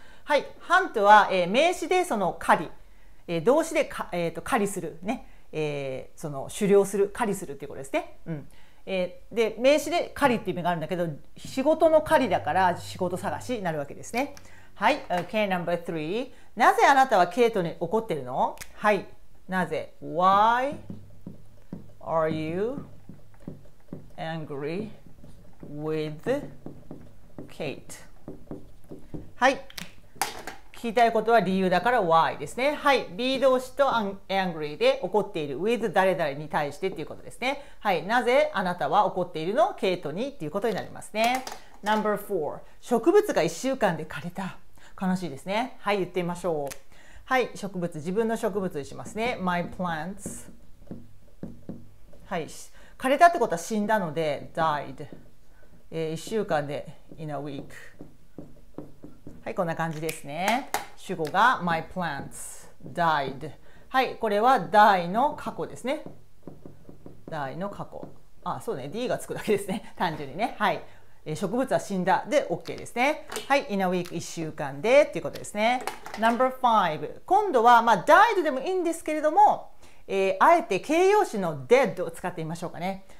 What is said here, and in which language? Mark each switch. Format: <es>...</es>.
<ja>はい、 hunt は、名詞でその狩り、動詞でか、狩りするね、その狩猟する、狩りするっていうことですね。うん、で名詞で狩りっていう意味があるんだけど、仕事の狩りだから仕事探しになるわけですね。はい、 OK、 number 3、 なぜあなたはケイトに怒ってるの。はい、なぜ、</ja> <en>Why are you angry with Kate。</en> <ja>はい、聞きたいことは理由だから Why ですね。はい、 B 動詞と angry で怒っている、 with 誰々に対してっていうことですね。はい、なぜあなたは怒っているの、ケイトにっていうことになりますね。 number 4、 植物が1週間で枯れた、悲しいですね。はい、言ってみましょう。はい、植物、自分の植物にしますね。my plants、 はい、枯れたってことは死んだので died、 1週間で</ja> <en>in a week。</en> <ja>はい、こんな感じですね。主語が</ja> <en>my plants died。</en> <ja>はい、これは die の過去ですね。die の過去、あ、そうね、 d がつくだけですね、単純にね。はい、植物は死んだで OK ですね。はい、</ja> <en>in a week、</en> <ja>1週間でっていうことですね。 number 5、 今度はまあ died でもいいんですけれども、あえて形容詞の dead を使ってみましょうかね。</ja>